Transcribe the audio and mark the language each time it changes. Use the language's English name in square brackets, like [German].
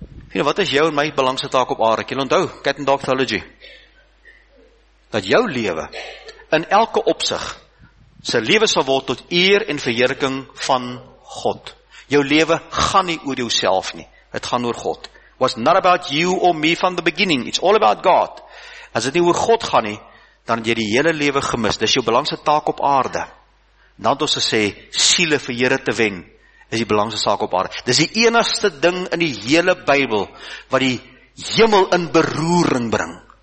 [Afrikaans] Vriende, wat is jou en my belangrikste taak op aarde? Jy onthou, Cat and Dog Theology. Dat jou lewe in elke opsig sy lewe sal word tot eer en verheerliking van God. Jou lewe gaan nie oor jouself nie. Dit gaan oor God. [English] It was not about you or me from the beginning. It's all about God. [Afrikaans] As dit nie oor God gaan nie, dan het jy die hele lewe gemis. Dis jou belangrikste taak op aarde. Dan het ons gesê, siele vir Here te wen, is die belangrikste saak op aarde. Dis die enigste ding in die hele Bybel wat die hemel in beroering bring.